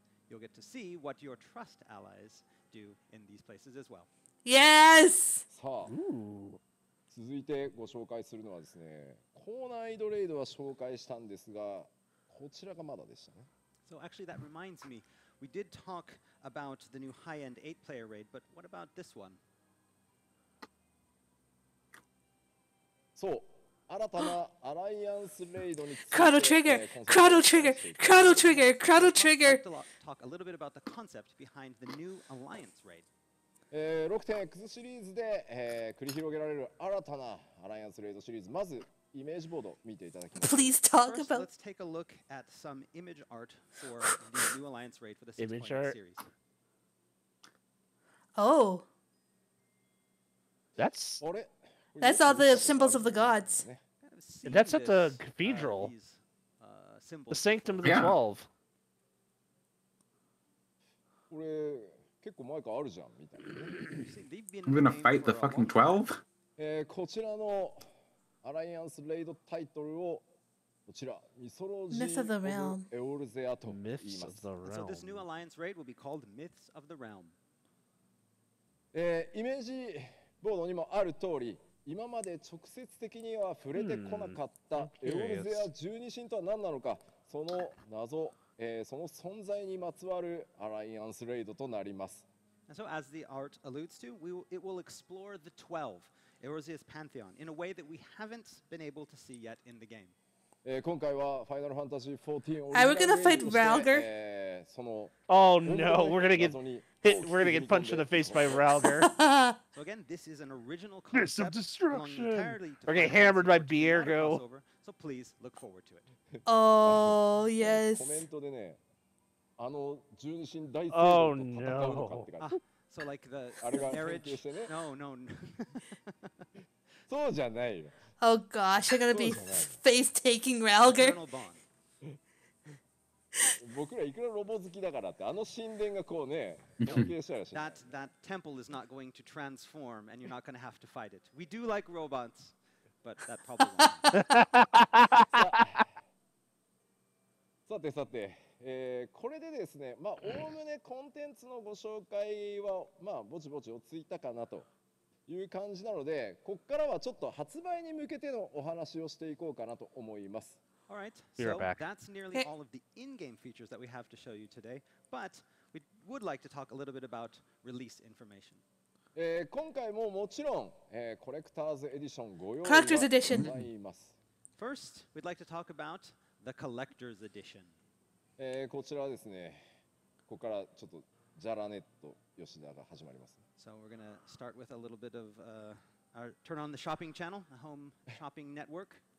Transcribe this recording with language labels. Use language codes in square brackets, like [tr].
[en] You'll get to see what your trust allies do in these places as well. Yes! [ja] さあ、続いてご紹介するのはですね、高難易度レイドは紹介したんですが、こちらがまだでしたね。 [en] So actually that reminds me, we did talk about the new high-end 8-player raid, but what about this one? [ja] そう、新たなアライアンスレイドについて、クラドトリガー! [en] Talk a little bit about the concept behind the new Alliance raid. [ja] 6.x シリーズで、繰り広げられる新たなアライアンスレイドシリーズ、まずイメージボードを見ていただきます。 [en] Please talk about. First, let's take a look at some image art for the new Alliance raid for the 6.x series. Oh. That's all the symbols of the gods. That's at the cathedral. The Sanctum of the Twelve. [ja] これ結構前からあるじゃんみたいな。 [en] I'm gonna fight the fucking 12? [ja] こちらのアライアンスレイドタイトルをこちら、ミソロジー・オブ・エオルゼアと言います [en] 。 So this new Alliance raid will be called Myths of the Realm. [ja] イメージボードにもある通り、今まで直接的には触れてこなかったエオルゼア十二神とは何なのか、その謎。その存在にまつわるアライアンスレイドとなります。 [en] And so as the art alludes to, it will explore the 12, Eorzea's pantheon, in a way that we haven't been able to see yet in the game. [ja] 今回はファイナルファンタジー14 を。 [en] Are we gonna fight Ralgar? Oh no, we're gonna get punched in the face by Ralgar. So again, this is an original concept. There's some destruction. We're getting hammered by Beargo. So please look forward to it. Oh yes. [ja] コメントでね、あの十二神大戦と戦うのかって感じ。 [en] So like the marriage? No. [ja] そうじゃないよ。 [en] Oh gosh, I'm gonna be face taking Ralgar. [ja] 僕らいくらロボ好きだからって、あの神殿がこうね、 [en] That temple is not going to transform, and you're not gonna have to fight it. We do like robots, but that probably won't. [ja] さてさて、これでですね、まあ概ねコンテンツのご紹介はまあぼちぼち落ち着いたかなと。いう感じなので、ここからはちょっと発売に向けてのお話をしていこうかなと思います。 [en] All right, so that's nearly all of the in-game features that we have to show you today, but we would like to talk a little bit about release information. [ja] 今回ももちろん、コレクターズエディションご用意はございます。 [en] Collector's edition. First, we'd like to talk about the collector's edition. [ja] こちらはですね、ここからちょっとジャラネット吉田が始まります。 [en] So we're going to start with a little bit of our turn on the shopping channel, the home shopping network.